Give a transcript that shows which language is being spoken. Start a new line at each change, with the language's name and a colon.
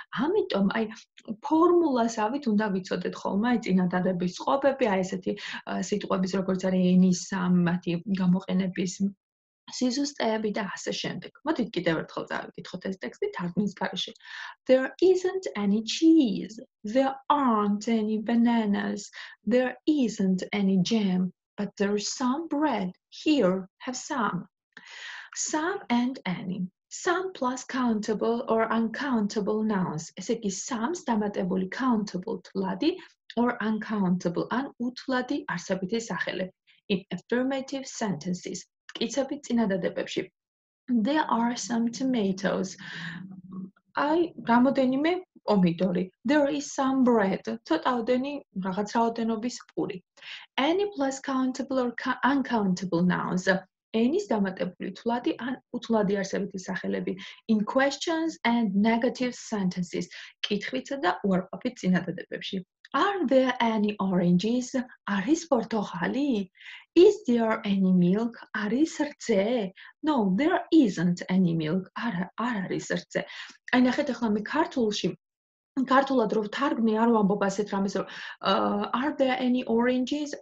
Georgian: ამიტომ აი ფორმულას ავით უნდა ვიცოდეთ ხოლმე, აი წინადადების წყობები, აი ესეთი სიტყვების, როგორც არის ენის ამათი გამოყენების სიზუსტეები და ასე შემდეგ. მოდით კიდევ ერთხელ წავიკითხოთ ეს ტექსტი თარგმნის გარეშე.
English: There isn't any cheese. There aren't any bananas. There isn't any jam, but there is some bread. Here, have some. Some and any. Some plus countable or uncountable nouns.
Georgian: ესე იგი, some-ს დამატებული countable თვლადი
English: or uncountable
Georgian: ან უთვლადი არსებითი სახელი.
English: In affirmative sentences.
Georgian: კიცები წინადადებებში.
English: There are some tomatoes.
Georgian: აი, რამოდენიმე პომიდორი.
English: There is some bread.
Georgian: ცოტაოდენი რაღაც რაოდენობის პური.
English: Any plus countable or uncountable nouns.
Georgian: Any-ს დამატებული თვლადი ან უთვლადი არსებითი სახელები.
English: In questions and negative sentences.
Georgian: კითხვითა და უარყოფით წინადადებებში.
English: Are there any oranges?
Georgian: Არის პორტოხალი?
English: Is there any milk?
Georgian: Არის რძე?
English: No, there isn't any milk.
Georgian: არ არის რძე. აი ნახეთ ახლა მე ქართულში ქართულად რო თარგმნი არ ვამბობ ასეთ რამეს რომ
English: are there any oranges?